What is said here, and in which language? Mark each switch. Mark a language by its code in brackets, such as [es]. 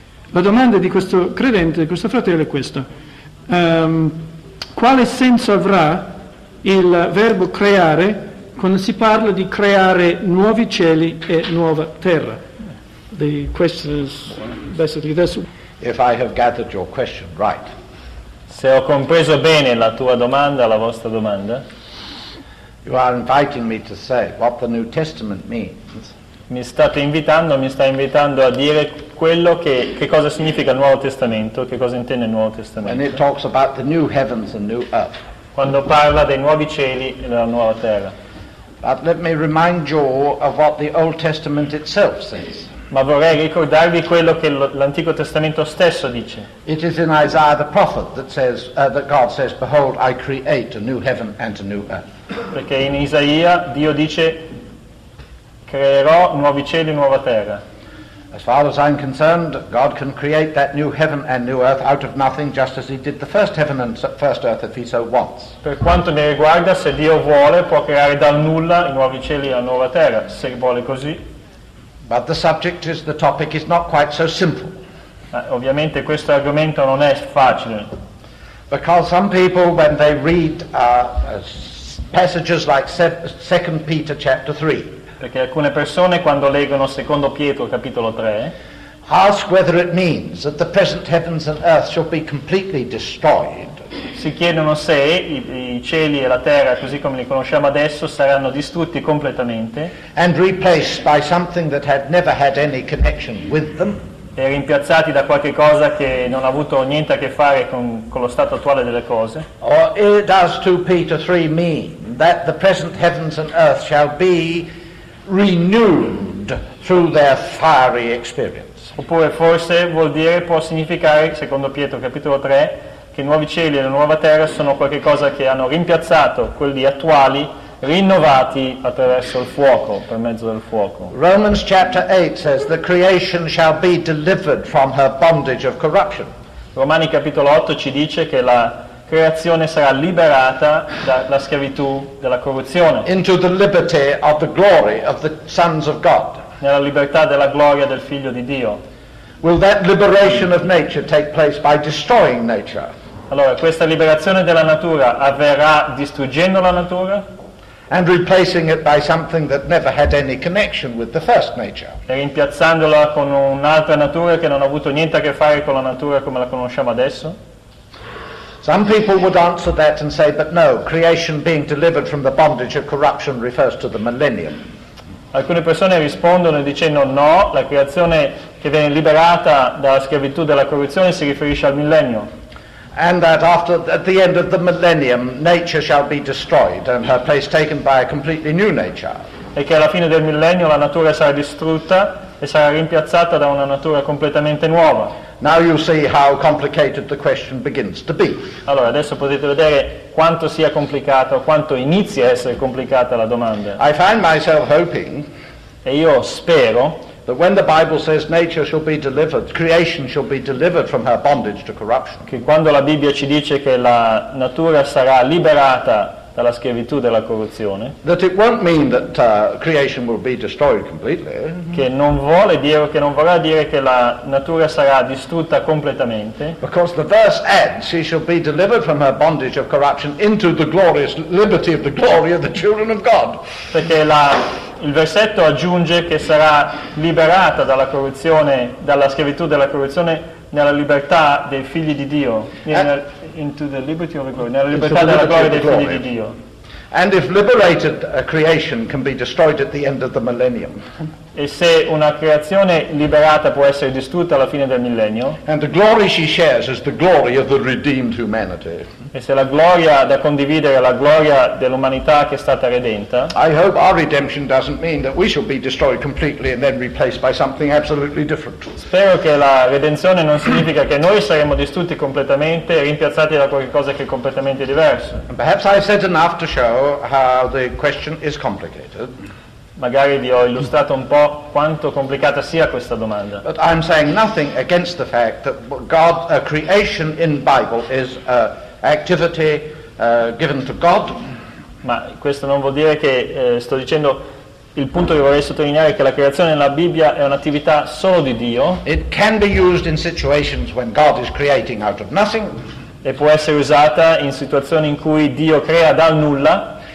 [it] La domanda di questo credente, di questo fratello è questa: quale senso avrà il verbo creare quando si parla di creare nuovi cieli e nuova terra? [en] The question is basically this. If I have gathered your question right. [it] Se ho compreso bene la tua domanda, la vostra domanda. [en] You are inviting me to say what the New Testament means. [it] Mi sta invitando a dire quello che cosa significa il Nuovo Testamento, che cosa intende il Nuovo Testamento. [en] And it talks about the new heavens and new earth. [it] Quando parla dei nuovi cieli e della nuova terra. [en] But let me remind you of what the Old Testament itself says. [it] Ma vorrei ricordarvi quello che l'Antico Testamento stesso dice. [en] It is in Isaiah the prophet that says that God says, "Behold, I create a new heaven and a new earth." [it] Perché in Isaia Dio dice, creerò nuovi cieli e nuova terra. [en] As far as I'm concerned, God can create that new heaven and new earth out of nothing, just as He did the first heaven and first earth if He so wants. [it] Per quanto mi riguarda, se Dio vuole, può creare dal nulla i nuovi cieli e la nuova terra, se vuole così. [en] But the subject is the topic is not quite so simple. [it] Ovviamente questo argomento non è facile. [en] Because some people, when they read passages like 2 Peter chapter 3, [it] perché alcune persone quando leggono 2 Pietro capitolo 3, [en] ask whether it means that the present heavens and earth shall be completely destroyed. [it] Si chiedono se i cieli e la terra, così come li conosciamo adesso, saranno distrutti completamente. [en] And replaced by something that had never had any connection with them. [it] E rimpiazzati da qualche cosa che non ha avuto niente a che fare con lo stato attuale delle cose. [en] Or does 2 Peter 3 mean that the present heavens and earth shall be renewed through their fiery experience? [it] Oppure forse vuol dire, può significare, secondo Pietro capitolo 3, che i nuovi cieli e la nuova terra sono qualcosa che hanno rimpiazzato quelli attuali, rinnovati attraverso il fuoco, per mezzo del fuoco. [en] Romans chapter 8 says the creation shall be delivered from her bondage of corruption. [it] Romani capitolo 8 ci dice che la creazione sarà liberata dalla schiavitù della corruzione. [en] Into the liberty of the glory of the sons of God. [it] Nella libertà della gloria del Figlio di Dio. [en] Will that liberation of nature take place by destroying nature? [it] Allora, questa liberazione della natura avverrà distruggendo la natura? [en] And replacing it by something that never had any connection with the first nature. [it] E rimpiazzandola con un'altra natura che non ha avuto niente a che fare con la natura come la conosciamo adesso? [en] Some people would answer that and say, but no, creation being delivered from the bondage of corruption refers to the millennium. [it] Alcune persone rispondono dicendo no, la creazione che viene liberata dalla schiavitù della corruzione si riferisce al millennio. [en] And that after, at the end of the millennium, nature shall be destroyed and her place taken by a completely new nature. [it] E che alla fine del millennio la natura sarà distrutta e sarà rimpiazzata da una natura completamente nuova. [en] Now you see how complicated the question begins to be. [it] Allora, adesso potete vedere quanto sia complicato, quanto inizia a essere complicata la domanda. [en] I find myself hoping, [it] e io spero, [en] that when the Bible says nature shall be delivered, creation shall be delivered from her bondage to corruption, [it] che quando la Bibbia ci dice che la natura sarà liberata dalla schiavitù della corruzione, [en] that it won't mean that creation will be destroyed completely, [it] che non vuole dire, che non vorrà dire che la natura sarà distrutta completamente, [en] because the verse adds she shall be delivered from her bondage of corruption into the glorious liberty of the glory of the children of God. [it] Perché il versetto aggiunge che sarà liberata dalla corruzione, dalla schiavitù della corruzione, nella libertà dei figli di Dio, [en] into the liberty of the glory, [it] nella libertà della gloria dei figli di Dio. [en] And if liberated creation can be destroyed at the end of the millennium, [it] e se una creazione liberata può essere distrutta alla fine del millennio, [en] and the glory she shares is the glory of the redeemed humanity, [it] e se la gloria da condividere è la gloria dell'umanità che è stata redenta, [en] I hope our redemption doesn't mean that we shall be destroyed completely and then replaced by something absolutely different. [it] Spero che la redenzione non significa che noi saremo distrutti completamente e rimpiazzati da qualcosa che è completamente diverso. [en] And perhaps I've said enough to show how the question is complicated. [it] Magari vi ho illustrato un po' quanto complicata sia questa domanda. [en] But I'm saying nothing against the fact that God, creation in Bible is activity given to God. [it] Ma questo non vuol dire che sto dicendo il punto che vorrei sottolineare è che la creazione nella Bibbia è un'attività solo di Dio. [en] It can be used in situations when God is creating out of nothing. [it] E può essere usata in situazioni in cui Dio crea dal nulla.